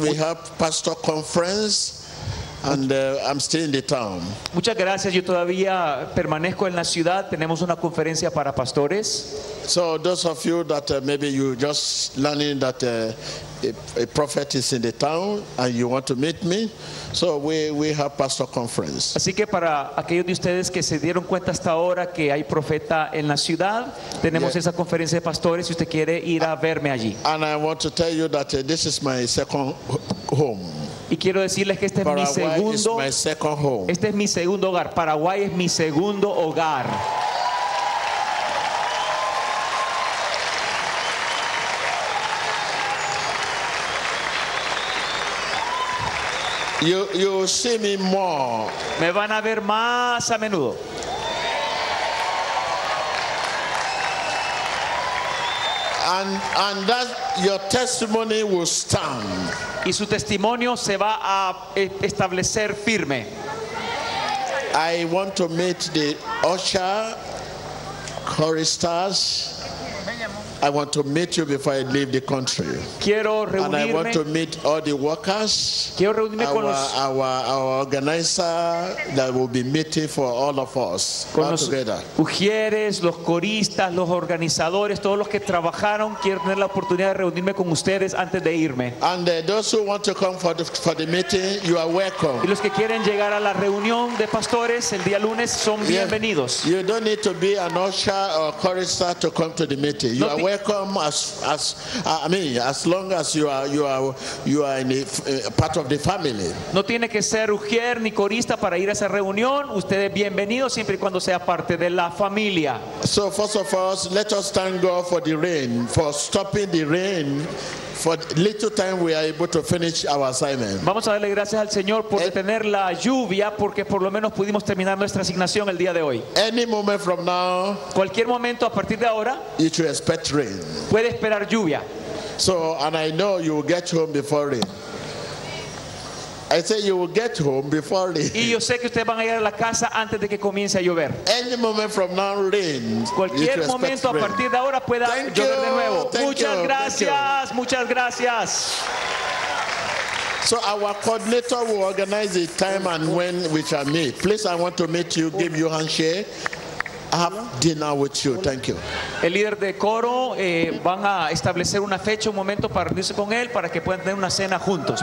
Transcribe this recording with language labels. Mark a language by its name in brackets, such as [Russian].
[English] We have pastor conference and I'm still in the town. [Spanish] Muchas gracias. Yo todavía permanezco en la ciudad. Tenemos una conferencia para pastores. [English] So those of you that maybe you just learning that a prophet is in the town and you want to meet me, so we have pastor conference. [Spanish] Así que para aquellos de ustedes que se dieron cuenta hasta ahora que hay profeta en la ciudad, tenemos esa conferencia de pastores. Si usted quiere ir a verme allí. [English] And I want to tell you that this is my second home. [Spanish] Y quiero decirles que este Paraguay es mi segundo. [English] Paraguay is my second home. [Spanish] Este es mi segundo hogar. Paraguay es mi segundo hogar. [English] You see me more. [Spanish] Me van a ver más a menudo. [English] And that your testimony will stand. [Spanish] Y su testimonio se va a establecer firme. [English] I want to meet the usher, choristers. I want to meet you before I leave the country. [Spanish] Quiero reunirme. [English] And I want to meet all the workers. [Spanish] Quiero reunirme con [English] our organizer that will be meeting for all of us. [Spanish] Con [English] all together. [Spanish] Mujeres, los coristas, los organizadores, todos los que trabajaron, quiero tener la oportunidad de reunirme con ustedes antes de irme. [English] And those who want to come for the meeting, you are welcome. [Spanish] Y los que quieren llegar a la reunión de pastores el día lunes son bienvenidos. [English] You don't need to be an usher or chorister to come to the meeting. You are welcome as long as you are in part of the family. [Spanish] No tiene que ser ujier ni corista para ir a esa reunión. Ustedes bienvenidos siempre y cuando sea parte de la familia. [English] So first of all, let us thank God for the rain, for stopping the rain. For little time we are able to finish our assignment. [Spanish] Vamos a darle gracias al Señor por detener la lluvia porque por lo menos pudimos terminar nuestra asignación el día de hoy. [English] Any moment from now, [Spanish] cualquier momento a partir de ahora, [English] you should expect rain. [Spanish] Puede esperar lluvia. [English] So, and I know you will get home before rain. I say you will get home before rain. [Spanish] Y yo sé que ustedes van a llegar a la casa antes de que comience a llover. [English] Any moment from now rain. [Spanish] Cualquier momento a partir de ahora pueda llover de nuevo. Muchas gracias, muchas gracias. [English] So our coordinator will organize the time and when we shall meet. Please, I want to meet you, give you handshake. Have dinner with you. Thank you. [Spanish] El líder de coro van a establecer una fecha, un momento para reunirse con él para que puedan tener una cena juntos.